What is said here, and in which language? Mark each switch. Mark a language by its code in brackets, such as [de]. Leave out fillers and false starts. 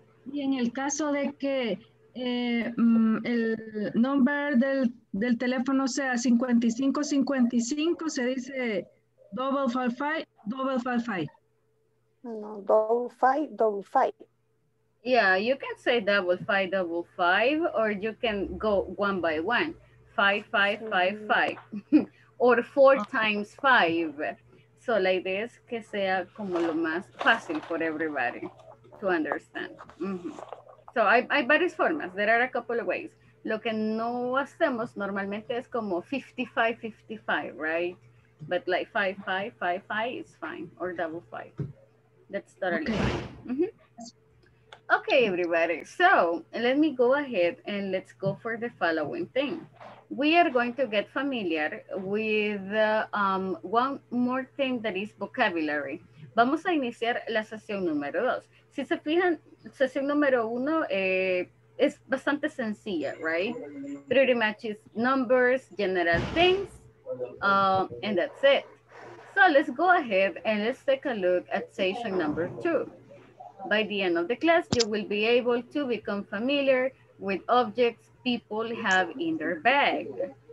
[es] Y en el caso de que el number del teléfono sea 5555, se dice 555-555. No, 5555. [en] Yeah, you can say 5555, or you can go one by one. 5555. Or 4 times 5. [es] So la idea es que sea como lo más fácil [en] for everybody to understand. [es] So hay varias formas. [en] There are a couple of ways. [es] Lo que no hacemos normalmente es como 5555, right? [en] But like 5555 is fine, or 5555. That's totally fine. Okay, everybody. So let me go ahead and let's go for the following thing. We are going to get familiar with one more thing that is vocabulary. [es] Vamos a iniciar la sesión número dos. Si se fijan, sesión número uno es bastante sencilla, right? [en] Pretty much is numbers, general things, and that's it. So let's go ahead and let's take a look at session number two. By the end of the class, you will be able to become familiar with objects people have in their bag.